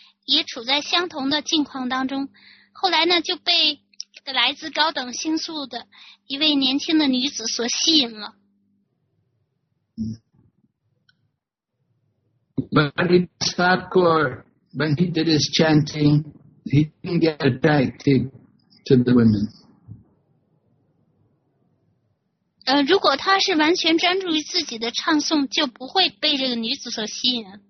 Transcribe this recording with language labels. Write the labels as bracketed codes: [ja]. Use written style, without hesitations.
[zh] 也处在相同的境况当中，后来呢就被来自高等星宿的一位年轻的女子所吸引了。 [en] But in Thakur, when he did his chanting, he didn't get attracted to the women. [zh] 如果他是完全专注于自己的唱诵，就不会被这个女子所吸引。